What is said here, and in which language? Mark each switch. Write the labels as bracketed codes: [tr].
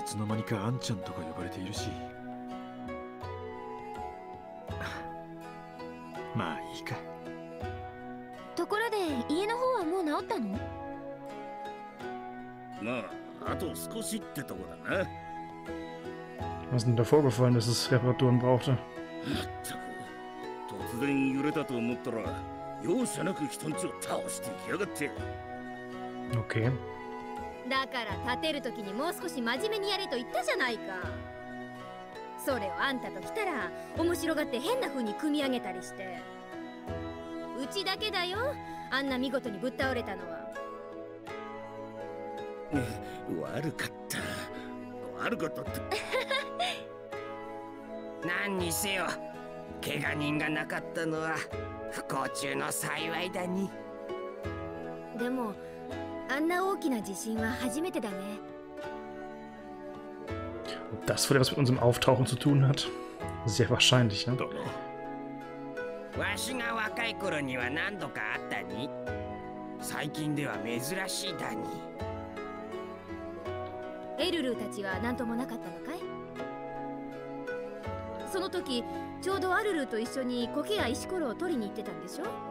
[ja] いつの間にかアンちゃんとか呼ばれているし。まあいいか。ところで家の方はもう治ったの？ Na, あと少しってとこだな。 [de] Was ist denn da vorgefallen, dass es Reparaturen brauchte? [ja] Na, 突然揺れたと思ったら、容赦なく人んちを倒していきやがって。 [en] Okay. [ja] だから立てるときにもう少し真面目にやれと言ったじゃないか。それをあんたと来たら、面白がって変な風に組み上げたりして。うちだけだよ、あんな見事にぶっ倒れたのは。悪かった。悪かった。何にせよ、怪我人がなかったのは不幸中の幸いだに。でも、あんな大きな地震は初めてだね。 [de] Ob das wohl etwas mit unserem Auftauchen zu tun hat? Sehr wahrscheinlich, ne? [ja] わしが若い頃には何度かあったに。最近では珍しいだに。エルルーたちは何ともなかったのかい？その時ちょうどアルルーと一緒にコケや石ころを取りに行ってたんでしょ？